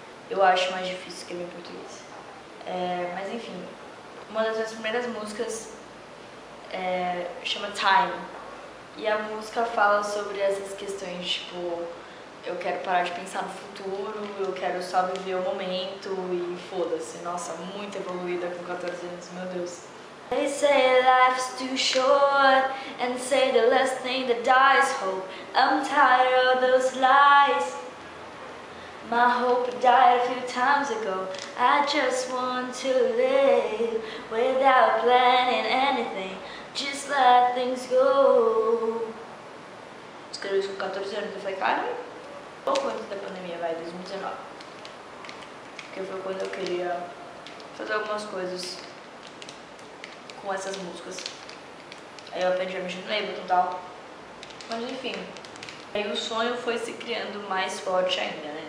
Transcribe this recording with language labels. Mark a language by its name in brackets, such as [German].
[Portuguese] Eu acho mais difícil escrever em português. Mas enfim, uma das minhas primeiras músicas chama Time. E a música fala sobre essas questões, tipo, eu quero parar de pensar no futuro, eu quero só viver o momento e foda-se. Nossa, muito evoluída com 14 anos, meu Deus. [English] They say life's too short and say the last thing that dies hope. I'm tired of those lies. My hope died a few times ago. I just want to live without planning anything. Just let things go. [Portuguese] Escrevi isso com 14 anos, eu falei, cara. Pouco antes da pandemia, vai, 2019. Porque foi quando eu queria fazer algumas coisas com essas músicas. Aí eu aprendi a mexer no Ableton e tal. Mas enfim. Aí o sonho foi se criando mais forte ainda, né?